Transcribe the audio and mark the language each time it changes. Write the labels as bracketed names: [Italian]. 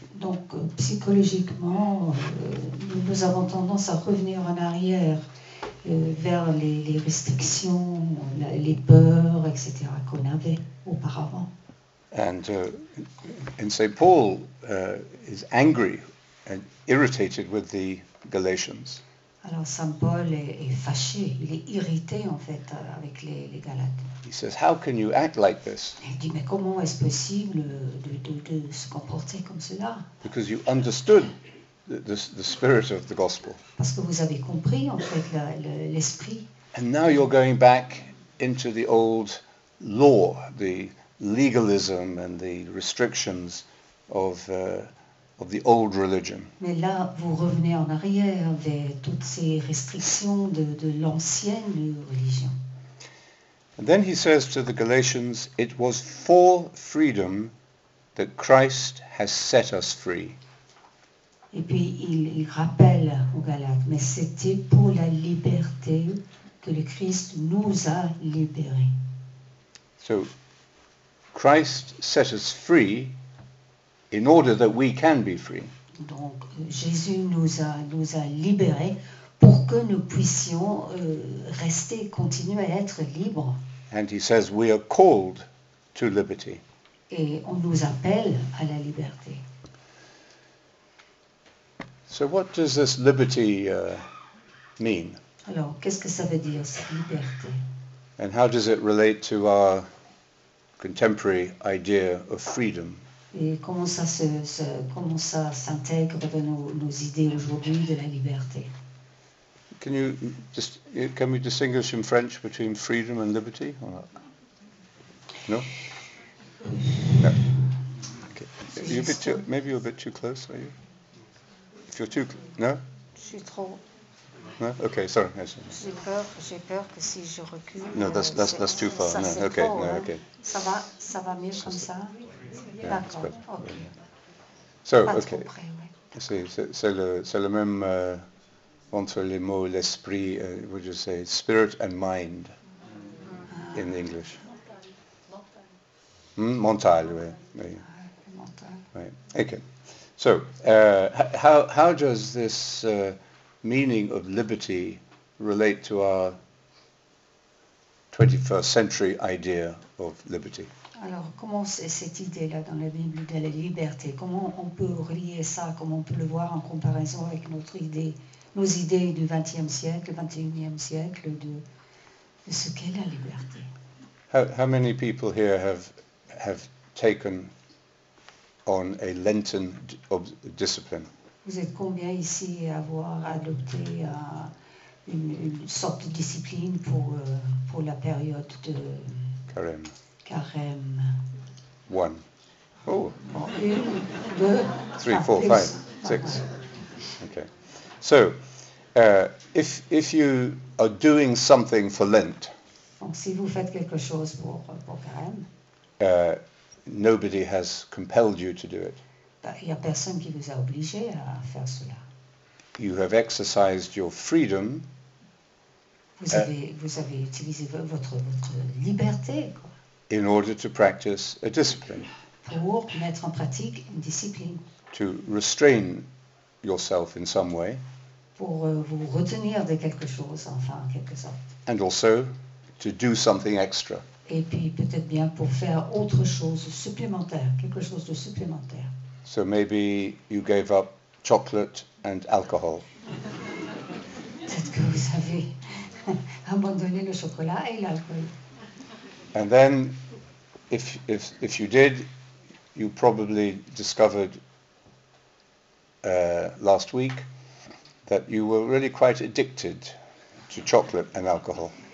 [French] Donc psychologiquement nous avons tendance à revenir en arrière vers les restrictions, les peurs, etc. qu'on avait auparavant. [English] And and Saint Paul is angry and irritated with the Galatians. [French] Alors Saint Paul est fâché, il est irrité en fait avec les Galates. [English] He says, "How can you act like this?" [French] Il dit, mais comment est-ce possible de se comporter comme cela? [English] Because you understood the spirit of the gospel. [French] Parce que vous avez compris en fait l'esprit. [English] And now you're going back into the old law, the legalism and the restrictions of the old religion. [French] Mais là, vous revenez en arrière vers toutes ces restrictions de l'ancienne religion. [English] And then he says to the Galatians, "It was for freedom that Christ has set us free." [French] Et puis il rappelle aux Galates, mais c'était pour la liberté que le Christ nous a libérés. [English] So Christ set us free in order that we can be free. [French] Donc Jésus nous a libérés pour que nous puissions rester, continuer à être libres. [English] And he says we are called to liberty. [French] Et on nous appelle à la liberté. [English] So what does this liberty mean? [French] Alors qu'est-ce que ça veut dire cette liberté? [English] And how does it relate to our contemporary idea of freedom? [French] Et comment ça s'intègre dans nos idées aujourd'hui de la liberté? [English] Can we distinguish in French between freedom and liberty or not? No? No. Okay. Are you a bit too, maybe you're a bit too close, are you? If you're too close, no? [French] Je suis trop. [English] No? Okay, sorry. Yes. [French] J'ai peur que si je recule. [English] No, that's too far. [French] Ça, [English] no, okay. Trop, no, okay. [French] Ça va mieux comme ça. [English] Yeah, [French] d'accord. [English] Okay. So, pas okay. [French] Trop près, ouais. C'est le même entre les mots l'esprit. [English] Would you say spirit and mind in English? [French] Mental, oui. Mental. [English] Right. Okay. So, how does this meaning of liberty relate to our 21st century idea of liberty? [French] Alors, comment cette idée-là dans la Bible de la liberté, comment on peut relier ça, comment on peut le voir en comparaison avec notre idée, nos idées du 20e siècle, 21e siècle, de ce qu'est la liberté? [English] How many people here have taken on a Lenten discipline? [French] Vous êtes combien ici à avoir adopté une sorte de discipline pour la période de carême? Carême. [English] One. Oh. [French] Bon, une, deux. [English] Three, four, five, six. Okay. So, if you are doing something for Lent. [French] Donc, si vous faites quelque chose pour carême. [English] Nobody has compelled you to do it. [French] Il n'y a personne qui vous a obligé à faire cela. [English] You have exercised your freedom. [French] Vous avez utilisé votre liberté. [English] In order to practice a discipline. [French] Pour mettre en pratique une discipline. [English] To restrain yourself in some way. [French] Pour vous retenir de quelque chose, enfin, en quelque sorte. [English] And also to do something extra. [French] Et puis peut-être bien pour faire autre chose supplémentaire, quelque chose de supplémentaire. [English] So maybe you gave up chocolate and alcohol. [French] Peut-être que vous avez abandonné le chocolat et l'alcool. [English] And then, if you did, you probably discovered last week that you were really quite addicted to chocolate and alcohol.